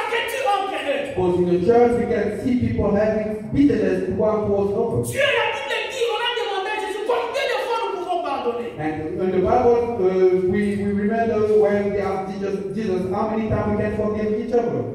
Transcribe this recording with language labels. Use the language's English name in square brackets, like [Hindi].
[English] Because in the church, we can see people having bitterness to one towards another. [French] Dieu l'a dit, on a demandé à Jésus combien de fois nous pouvons pardonner. [English] And in the Bible, we remember when they asked Jesus how many times we can forgive each other.